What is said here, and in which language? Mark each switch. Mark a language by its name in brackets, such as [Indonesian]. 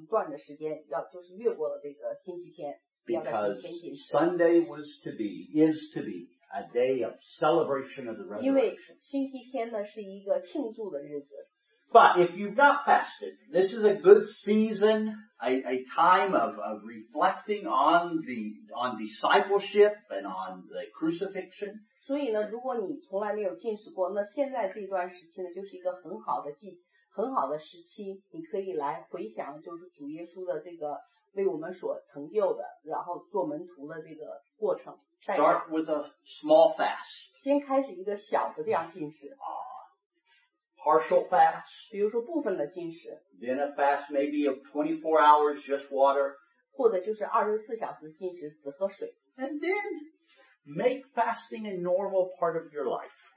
[Chinese] 所以早期教父就说，不要在星期天进食，除非你是说连续的要一段的时间，要就是越过了这个星期天。 [English] Because Sunday was to be, is to be a day of celebration of the resurrection. [Chinese] 因为星期天呢是一个庆祝的日子。 [English] But if you've not fasted, this is a good season, a time of reflecting on discipleship and on the crucifixion. [Chinese] 所以呢，如果你从来没有进食过，那现在这段时期呢，就是一个很好的时期，你可以来回想，就是主耶稣的这个为我们所成就的，然后做门徒的这个过程。 [English] Start with a small fast. [Chinese] 先开始一个小的这样进食。 [English] Partial fast. [Chinese] 比如说部分的禁食, [English] then a fast maybe of 24 hours, just water. [Chinese] 或者就是24小时禁食，只喝水。 [English] And then make fasting a normal part of your life.